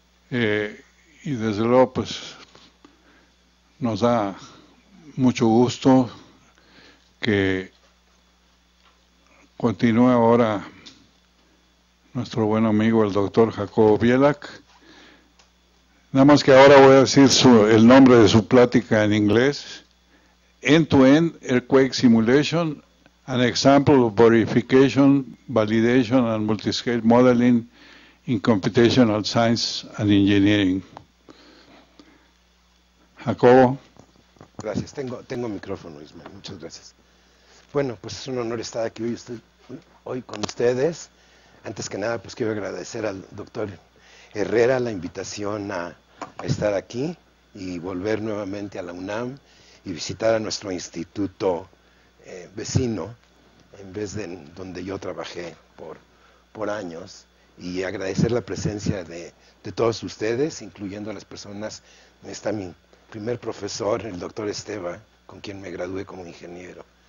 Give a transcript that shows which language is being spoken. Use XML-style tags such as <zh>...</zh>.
<es>Y desde luego pues nos da mucho gusto que continúe ahora nuestro buen amigo el doctor Jacobo Bielak. Nada más que ahora voy a decir el nombre de su plática en inglés.</es> <en>End-to-end earthquake simulation, an example of verification, validation and multiscale modeling in computational science and engineering.</en> <es>Jacobo. Gracias, tengo micrófono, Ismael, muchas gracias. Bueno, pues es un honor estar aquí hoy con ustedes. Antes que nada, pues quiero agradecer al doctor Herrera la invitación a estar aquí y volver nuevamente a la UNAM y visitar a nuestro instituto vecino, en vez de en donde yo trabajé por años, y agradecer la presencia de todos ustedes, incluyendo a las personas, está mi primer profesor, el doctor Esteva, con quien me gradué como ingeniero.</es>